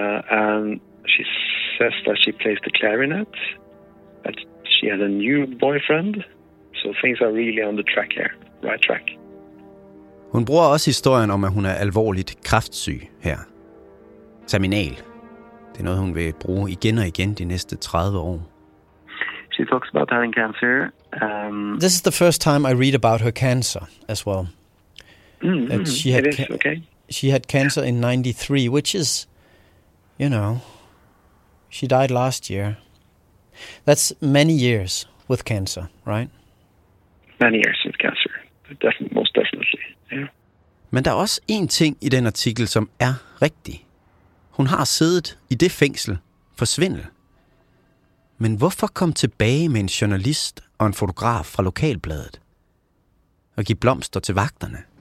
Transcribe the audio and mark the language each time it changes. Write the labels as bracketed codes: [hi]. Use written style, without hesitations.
[en] And she says that she plays the clarinet, but she has a new boyfriend, so things are really on the track here, right track. [da] Hun bruger også historien om, at hun er alvorligt kræftsyg her. Terminal. Det er noget, hun vil bruge igen og igen de næste 30 år. [en] She talks about having cancer. This is the first time I read about her cancer as well. Mm-hmm. She had cancer in 93, which is, you know, she died last year. That's many years with cancer, right? Many years with cancer, most definitely. Yeah. [da] Men der er også en ting i den artikel, som er rigtig. Hun har siddet i det fængsel for svindel. Men hvorfor komme tilbage med en journalist og en fotograf fra lokalbladet og give blomster til vagterne?